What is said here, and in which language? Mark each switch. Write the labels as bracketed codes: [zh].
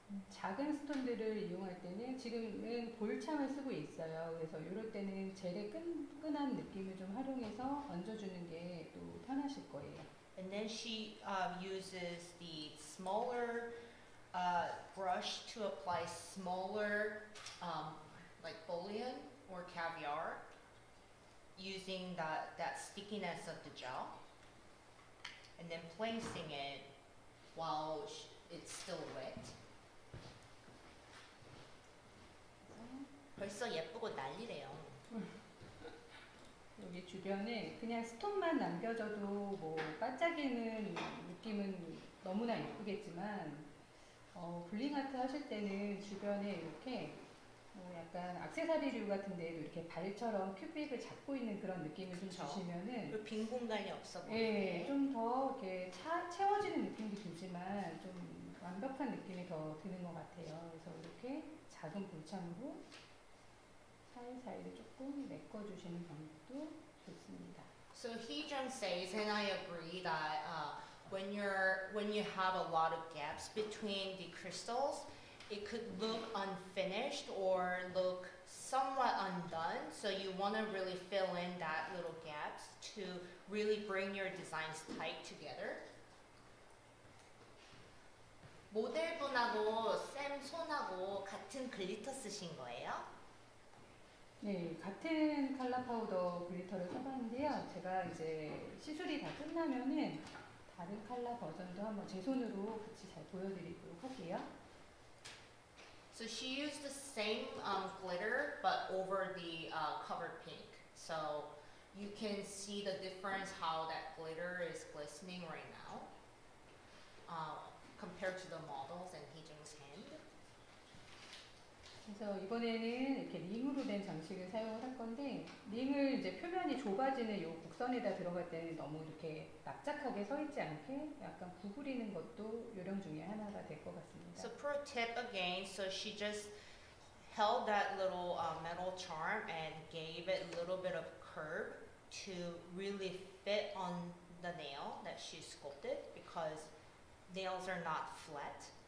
[ko] 작은 스톤들을 이용할 때는 지금은 볼참을 쓰고 있어요. 그래서 이럴 때는 젤의 끈끈한 느낌을 좀 활용해서 얹어주는 게 또 편하실 거예요. [en] And then she uses the smaller brush to apply smaller like bullion or caviar using that stickiness of the gel and then placing it while it's still wet. [ko] 벌써 예쁘고 난리래요. 여기 주변에 그냥 스톤만 남겨져도 뭐 반짝이는 느낌은 너무나 예쁘겠지만 블링 아트 하실 때는 주변에 이렇게 약간 액세서리류 같은데 이렇게 발처럼 큐빅을 잡고 있는 그런 느낌을 그쵸? 좀 주시면은 빈 공간이 없어 보이네. 예, 좀 더 이렇게 채워지는 느낌도 들지만 좀 완벽한 느낌이 더 드는 것 같아요. 그래서 이렇게 작은 볼참으로 사이사이를 조금 메꿔주시는 방법도 좋습니다. [en] So he just says, and I agree that when you have a lot of gaps between the crystals, it could look unfinished or look somewhat undone. So you want to really fill in that little gaps to really bring your designs tight together. [ko] 모델분하고 샘 손하고 같은 글리터 쓰신 거예요? 네, 같은 컬러 파우더 글리터를 써봤는데요. 제가 이제 시술이 다 끝나면은 다른 컬러 버전도 한번 제 손으로 같이 잘 보여드리도록 할게요. [en] So she used the same glitter but over the covered pink. So you can see the difference how that glitter is glistening right now. Compared to the models and Heejung's hand. [ko] 그래서 이번에는 이렇게 링으로 된 장식을 사용을 할 건데 링을 이제 표면이 좁아지는 요 곡선에다 들어갈 때는 너무 이렇게 납작하게 서 있지 않게 약간 구부리는 것도 요령 중에 하나가 될 것 같습니다. [en] So pro tip again, so she just held that little metal charm and gave it a little bit of curve to really fit on the nail that she sculpted because nails are not flat.